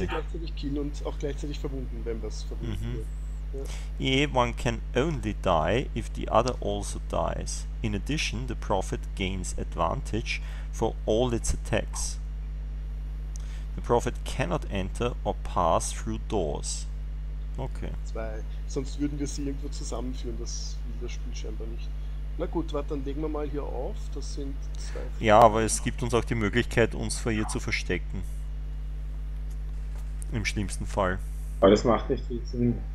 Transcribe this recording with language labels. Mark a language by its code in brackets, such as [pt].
[de] Wir müssen sie gleichzeitig killen und auch gleichzeitig verwunden, wenn was verwundet wird. Mm-hmm. Ja. [en] One can only die if the other also dies. In addition, the prophet gains advantage for all its attacks. The Prophet cannot enter or pass through doors. Okay. [de] Zwei. Sonst würden wir sie irgendwo zusammenführen, das will das Spiel scheinbar nicht. Na gut, warte, dann legen wir mal hier auf. Das sind zwei. Ja, aber es gibt uns auch die Möglichkeit, uns vor ihr zu verstecken. Im schlimmsten Fall. Aber das macht nicht viel Sinn.